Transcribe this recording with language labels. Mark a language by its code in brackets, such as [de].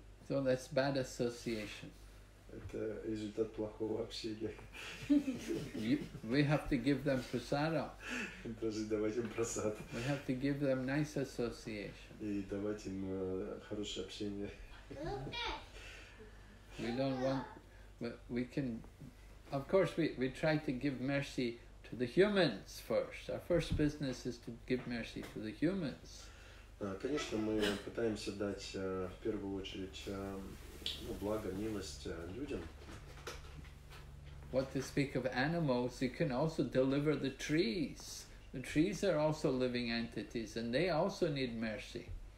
[en] So that's bad association. [ru] Это результат плохого общения. [en] We have to give them prasadam. [ru] Даже давать им прасад. [en] We have to give them nice association. [ru] И давать им хорошее общение. [en] We don't want, but we can, of course we try to give mercy to the humans first. Our first business is to give mercy to the humans. [ru] Конечно, мы пытаемся дать в первую очередь благо, милость людям. [en] What to speak of animals, you can also deliver the trees. The trees are also living entities and they also need mercy.